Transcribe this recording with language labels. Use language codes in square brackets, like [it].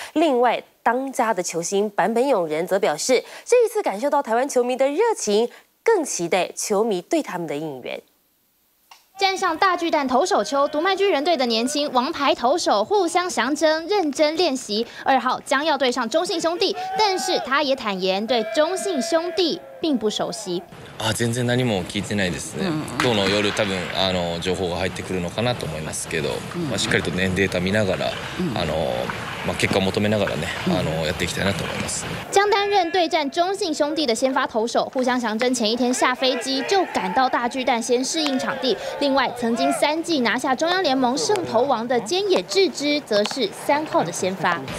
[zh] 另外，当家的球星坂本勇人则表示，这一次感受到台湾球迷的热情，更期待球迷对他们的应援。站上大巨蛋投手丘，独卖巨人队的年轻王牌投手互相相争，认真练习。二号将要对上中信兄弟，但是他也坦言对中信兄弟并不熟悉。 [ja] 啊，全然何も聞いてないですね。今日の夜多分あの情報が入ってくるのかなと思いますけど、まあしっかりと年データ見ながらあの。まあ、結果を求めながらね、やっていきたいなと思います。 [zh] 将担任对战中信兄弟的先发投手，互相相争前一天下飞机就赶到大巨蛋先适应场地。另外，曾经三季拿下中央联盟胜投王的菅野智之，则是三号的先发。